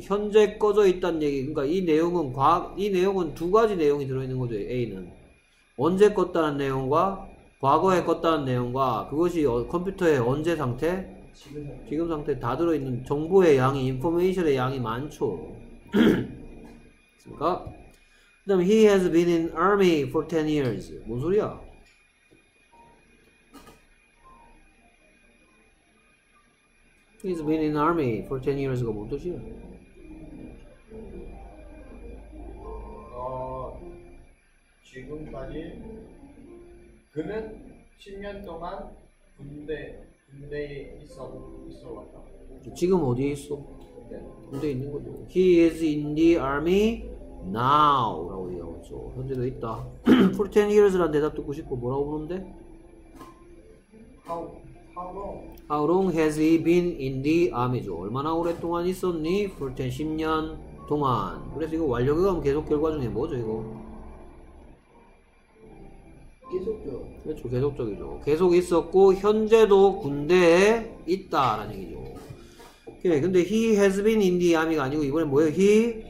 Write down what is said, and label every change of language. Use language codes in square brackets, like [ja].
[ko] 현재 꺼져 있다는 얘기. 그러니까 이 내용은 두 가지 내용이 들어있는 거죠. A는. 언제 껐다는 내용과 과거에 껐다는 내용과 그것이 컴퓨터의 언제 상태? 지금 상태 다 들어있는 정보의 양이, 인포메이션의 양이 많죠. 그니까. 그 다음에 [en] he has been in army for 10 years. [ko] 뭔 소리야? [en] 'He's been in army for 10 years' [ko] 가뭔 뜻이야? 지금까지 그는 10년 동안 군대에 있어 왔다. 지금 어디에 있어? 군대에 있는 거죠. [en] He is in the army now [ko] 라고 얘기하고 있어. 현재도 있다. [en] For 10 years [ko] 란 대답 듣고 싶어. 뭐라고 보는데? [en] How long? How long has he been in the army죠? [ko] 얼마나 오랫동안 있었니? [en] For 10, [ko] 10년 동안. 그래서 이거 완료결과면 계속 결과 중에 뭐죠, 이거? 계속죠. 그렇죠, 계속적이죠. 계속 있었고, 현재도 군대에 있다라는 얘기죠. 오케이, 근데 [en] he has been in the army [ko] 가 아니고, 이번엔 뭐예요? [en] He?